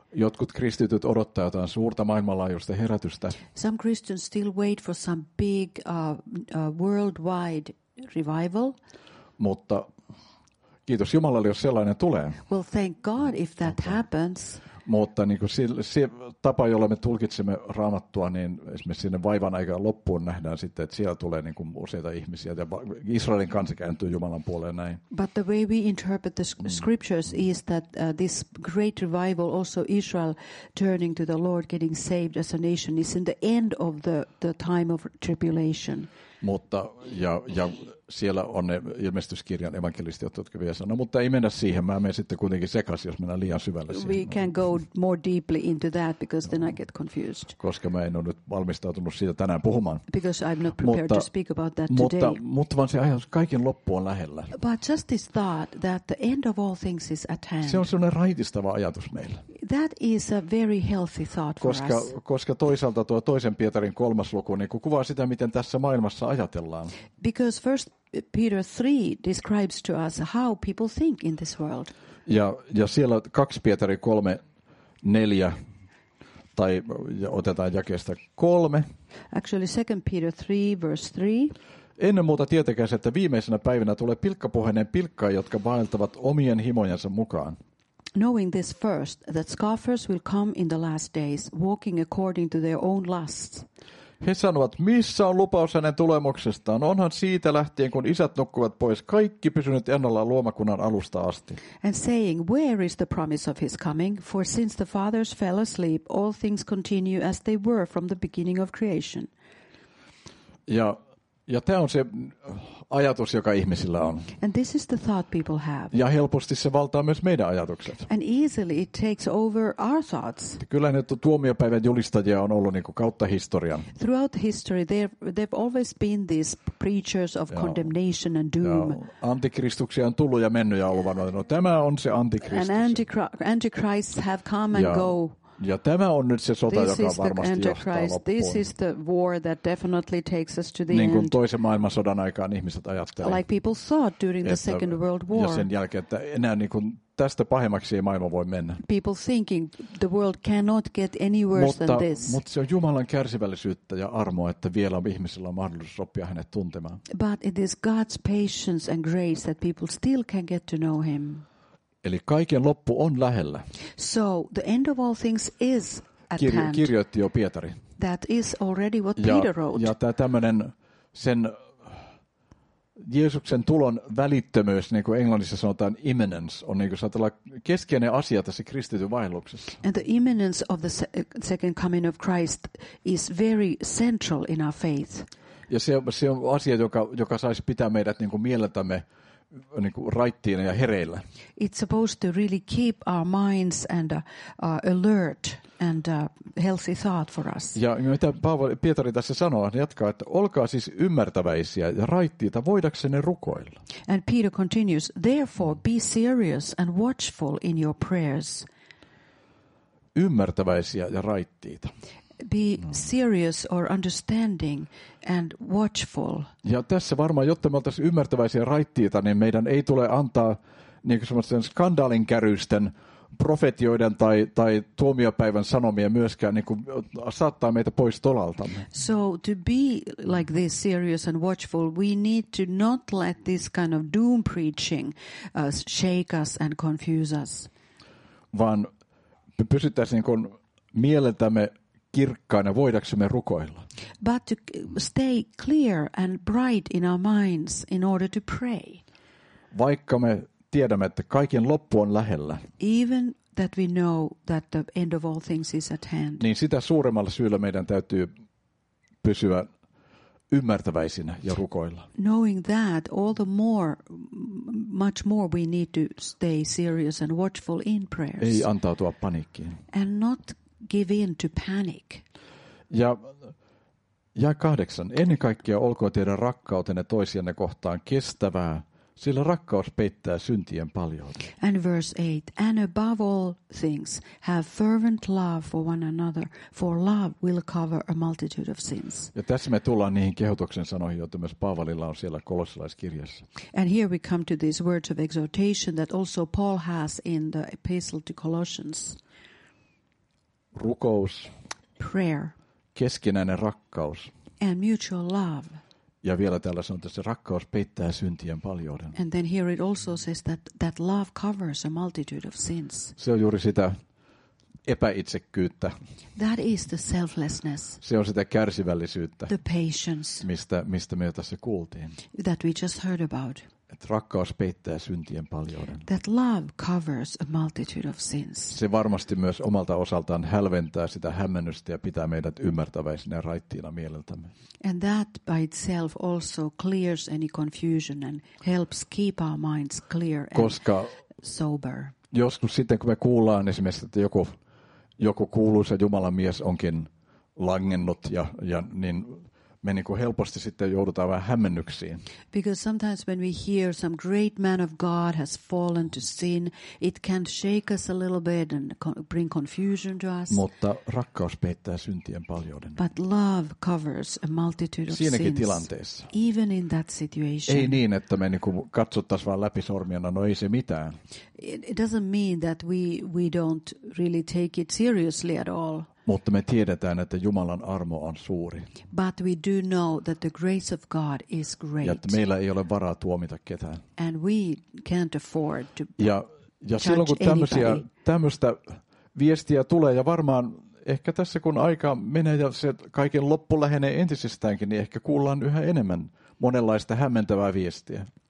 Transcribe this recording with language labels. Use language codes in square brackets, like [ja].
[fi] Jotkut kristityt odottaa jotain suurta maailmanlaajuista herätystä. [en] Some Christians still wait for some big worldwide revival. [fi] Mutta kiitos Jumalalle, jos sellainen tulee. [en] Well, thank God if that happens. [fi] Mutta niin kuin se tapa, jolla me tulkitsemme Raamattua, niin esimerkiksi sinne vaivan aikaan loppuun nähdään sitten, että siellä tulee niin kuin useita ihmisiä ja Israelin kansa kääntyy Jumalan puoleen näin. [en] But the way we interpret the scriptures is that this great revival, also Israel turning to the Lord, getting saved as a nation, is in the end of the time of tribulation. [fi] Mutta ja siellä on ne ilmestyskirjan evankelistit, jotka vielä sanoo, mutta ei mennä siihen. Mä menen sitten kuitenkin sekaisin, jos mennään liian syvälle siihen. [en] We can go more deeply into that because then I get confused. [fi] Koska mä en ole nyt valmistautunut siitä tänään puhumaan. [en] Because I'm not prepared to speak about that today. [fi] Mutta vaan se ajatus, kaiken loppu on lähellä. [en] But just this thought that the end of all things is at hand. [fi] Se on sellainen raitistava ajatus meille. [en] That is a very healthy thought for us. [fi] Koska toisaalta tuo toisen Pietarin 3. luku niin kun kuvaa sitä, miten tässä maailmassa ajatellaan. [en] Because first Peter 3 describes to us how people think in this world. [fi] Ja siellä 2 Pietari 3, 4, tai otetaan jakeesta 3. [en] Actually 2 Peter 3, verse 3. [fi] Ennen muuta tietäkääs, että viimeisenä päivänä tulee pilkkapuheinen pilkkaa, jotka vaeltavat omien himojensa mukaan. [en] Knowing this first, that scoffers will come in the last days, walking according to their own lusts. [fi] He sanovat, missä on lupaus hänen tulemuksestaan? Onhan siitä lähtien, kun isät nukkuvat pois, kaikki pysynyt ennallaan luomakunnan alusta asti. [en] And saying, where is the promise of his coming? For since the fathers fell asleep, all things continue as they were from the beginning of creation. [fi] Ja tämä on se ajatus, joka ihmisillä on. [en] And this is the thought people have. [fi] Ja helposti se valtaa myös meidän ajatukset. [en] And easily it takes over our thoughts. [fi] Kyllä ne tuomiopäivän julistajia on ollut niin kuin kautta historian. [en] Throughout history there've always been these preachers of condemnation and doom. [fi] Antikristuksia on tullut ja mennyt ja ollut vanhoja. No tämä on se antikristus. [en] And antichrists have come and go. [fi] Ja tämä on nyt se sota, joka varmasti johtaa loppuun. [en] This is the war that definitely takes us to the end. [fi] Niin kuin toisen maailmansodan aikaan ihmiset ajattelivat. [en] Like people thought during the Second World War. [fi] Ja sen jälkeen, että enää niin kuin tästä pahemmaksi ei maailma voi mennä. [en] People thinking the world cannot get any worse [fi] mutta, [en] than this. [fi] Mutta se on Jumalan kärsivällisyyttä ja armoa, että vielä ihmisillä on mahdollisuus oppia hänet tuntemaan. [en] But it is God's patience and grace that people still can get to know him. [fi] Eli kaiken loppu on lähellä. [en] So the end of all things is at hand. [fi] Kirjoitti jo Pietari. [en] That is already what Peter wrote. [fi] Ja tämmöinen sen Jeesuksen tulon välittömyys, niin kuin englannissa sanotaan imminence, on niin kuin saatella keskeinen asia tässä kristityn vaelluksessa. [en] And the imminence of the second coming of Christ is very central in our faith. [fi] Ja se on asia, joka saisi pitää meidät niin kuin mieletämme niin kuin raittiina ja hereillä. [en] It's supposed to really keep our minds and alert and healthy thought for us. [fi] Ja mitä Pietari tässä sanoo, hän jatkaa, että olkaa siis ymmärtäväisiä ja raittiita voidaksenne rukoilla. [en] And Peter continues, therefore be serious and watchful in your prayers. [fi] Ymmärtäväisiä ja raittiita. [en] Be serious or understanding and watchful. [fi] Ja tässä varmaan, jotta me oltaisiin ymmärtäväisiä raittiita, niin meidän ei tule antaa niin kuin semmoisen skandaalinkärysten profetioiden tai tuomiopäivän sanomia myöskään niin kuin saattaa meitä pois tolaltamme. [en] So to be like this serious and watchful, we need to not let this kind of doom preaching shake us and confuse us. [fi] Vaan me pysyttäisiin niin kuin mieletämme kirkkaana voidaksemme rukoilla. [en] But to stay clear and bright in our minds in order to pray. [fi] Vaikka me tiedämme, että kaiken loppu on lähellä. [en] Even that we know that the end of all things is at hand. [fi] Niin sitä suuremmalla syyllä meidän täytyy pysyä ymmärtäväisinä ja rukoilla. [en] Knowing that, all the more, much more we need to stay serious and watchful in prayers. [fi] Ei antautua paniikkiin. [en] And not give in to panic. [fi] Ja 8. Ennen kaikkea olkoon teidän rakkautenne toisianne kohtaan kestävää, sillä rakkaus peittää syntien paljon. [en] And verse 8. And above all things, have fervent love for one another, for love will cover a multitude of sins. [fi] Ja tässä me tullaan niihin kehotuksen sanoihin, joita myös Paavalilla on siellä kolossalaiskirjassa. [en] And here we come to these words of exhortation that also Paul has in the epistle to Colossians. [fi] Rukous, [en] prayer, [fi] keskinäinen rakkaus [en] and mutual love. [fi] Ja vielä tällä sanotaan, että se rakkaus peittää syntien paljouden. [en] And then here it also says that love covers a multitude of sins. [fi] Se on juuri sitä epäitsekkyyttä. [en] That is the selflessness. [fi] Se on sitä kärsivällisyyttä. [en] The patience. [fi] Mistä me jo tässä kuultiin. [en] That we just heard about. [fi] Että rakkaus peittää syntien paljouden. [en] That love covers a multitude of sins. [fi] Se varmasti myös omalta osaltaan hälventää sitä hämmennystä ja pitää meidät ymmärtäväisinä ja raittiina mieleltämme. [en] And that by itself also clears any confusion and helps keep our minds clear and sober. [fi] Joskus sitten, kun me kuullaan esimerkiksi, että joku kuuluisa Jumalan mies onkin langennut ja niin me niin kuin helposti sitten joudutaan vähän hämmennyksiin. [en] Because sometimes when we hear some great man of God has fallen to sin, it can shake us a little bit and bring confusion to us. [fi] Mutta rakkaus peittää syntien paljouden. [en] But love covers a multitude of sins. [fi] Siinäkin tilanteessa. [en] Even in that situation. [fi] Ei niin, että me niin kuin katsottaisiin vaan läpi sormiana, no ei se mitään. [en] It doesn't mean that we don't really take it seriously at all. [fi] Mutta me tiedetään, että Jumalan armo on suuri. [en] But we do know that the grace of God is great. [fi] Ja että meillä ei ole varaa tuomita ketään. [en] And we can't afford to judge anybody. [fi] Ja silloin kun tämmöistä viestiä tulee, ja varmaan ehkä tässä kun aika menee ja se kaiken loppu lähenee entisestäänkin, niin ehkä kuullaan yhä enemmän monenlaista hämmentävää viestiä.